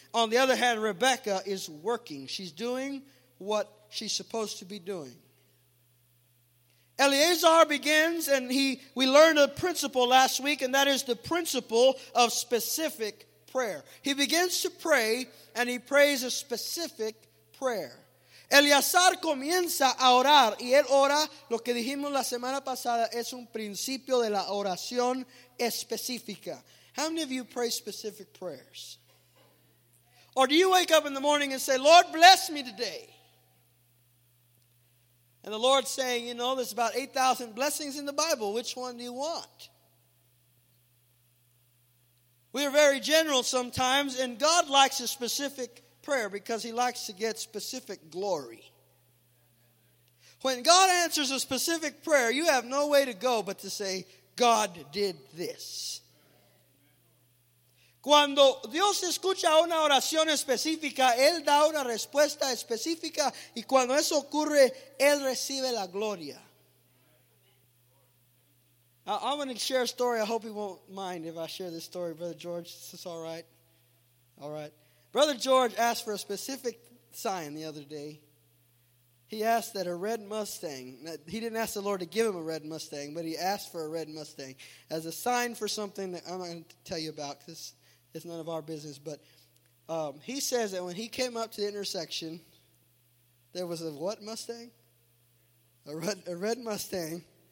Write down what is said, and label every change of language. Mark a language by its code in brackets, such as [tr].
[en] On the other hand, Rebecca is working. She's doing what she's supposed to be doing. Eleazar begins, and we learned a principle last week, and that is the principle of specific prayer. He begins to pray, and he prays a specific prayer. [es] Eleazar comienza a orar, y él ora lo que dijimos la semana pasada, es un principio de la oración específica. [en] How many of you pray specific prayers? Or do you wake up in the morning and say, Lord, bless me today? And the Lord's saying, you know, there's about 8,000 blessings in the Bible. Which one do you want? We are very general sometimes, and God likes a specific prayer because he likes to get specific glory. When God answers a specific prayer, you have no way to go but to say, God did this. [es] Cuando Dios escucha una oración específica, Él da una respuesta específica, y cuando eso ocurre, Él recibe la gloria. [en] I want to share a story. I hope you won't mind if I share this story. Brother George, is this all right? All right. Brother George asked for a specific sign the other day. He asked that a red Mustang, he didn't ask the Lord to give him a red Mustang, but he asked for a red Mustang as a sign for something that I'm not going to tell you about because it's none of our business, but he says that when he came up to the intersection, there was a what Mustang? A red Mustang.